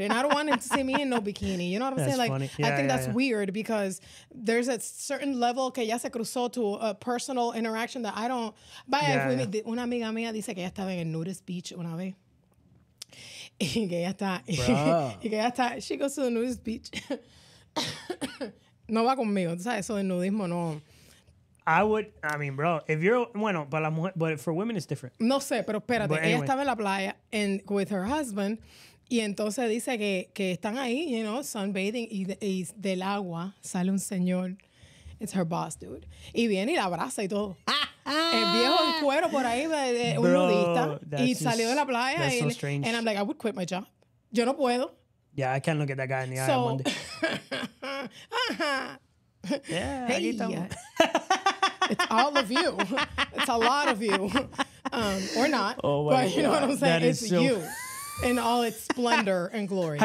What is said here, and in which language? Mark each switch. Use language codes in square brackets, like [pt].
[en] And I don't want him to see me in no bikini. You know what I'm saying? Like, yeah, I think that's weird because there's a certain level [es] que ya se cruzó [en] to a personal interaction that I don't... [es] Una amiga mía dice que ya estaba en el [en] nudist beach [es] una vez. Y que ya está. [en] She goes to the nudist beach. [es] No va conmigo, tú sabes, eso del nudismo no. [en] But for women it's different. [es] No sé, pero espérate, [en] but anyway. [es] Ella estaba en la playa [en] with her husband [es] y entonces dice que están ahí, [en] you know, sunbathing [es] y del agua sale un señor. [en] It's her boss, dude. [es] Y viene y la abraza y todo. El viejo en cuero por ahí un nudista y salió de la playa [en] and I'm like, I would quit my job. [es] Yo no puedo. [en] Yeah, I can't look at that guy in the eye on Monday. Yeah, hey, it's all of you. It's a lot of you. Or not. Oh, but you God. Know what I'm saying? It's so... you in all its splendor and glory.